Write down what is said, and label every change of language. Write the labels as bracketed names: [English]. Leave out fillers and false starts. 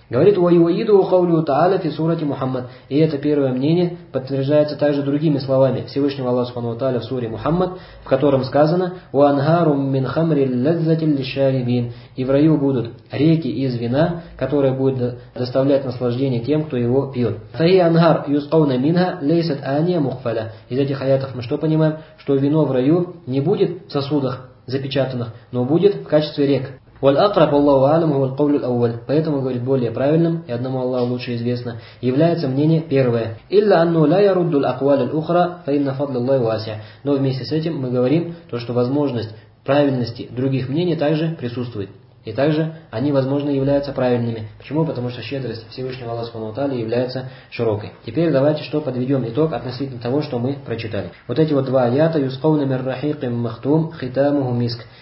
[Russian] Говорит, [Arabic] «Ва-и-ва-иду хаулю та'аля фи сурати Мухаммад». [Russian] И это первое мнение подтверждается также другими словами Всевышнего Аллаха Субхану Та'аля в суре Мухаммад, в котором сказано, [Arabic] «Ва-ангару мин хамри ладзати ли-шарибин». [Russian] И в раю будут реки из вина, которые будут доставлять наслаждение тем, кто его пьет. [Arabic] «Фа-и ангар юсқауна минха лейсат ания мухфаля». [Russian] Из этих аятов мы что понимаем? Что вино в раю не будет в сосудах запечатанных, но будет в качестве рек. [Arabic] والأقرب الله أعلم هو القول الأول. [Russian] Поэтому говорит более правильным и одному Аллаху лучше известно является мнение первое. [Arabic] إلا أنه لا يرد الأقوال الأخرى فإن فضل الله واسع. [Russian] Но вместе с этим мы говорим то, что возможность правильности других мнений также присутствует. И также они, возможно, являются правильными. Почему? Потому что щедрость Всевышнего Аллаха Субхану ва Тааля является широкой. Теперь давайте что подведем итог относительно того, что мы прочитали. Вот эти вот два аята [Arabic] «Юсқауна мин рахиқин махтум хитамуху миск».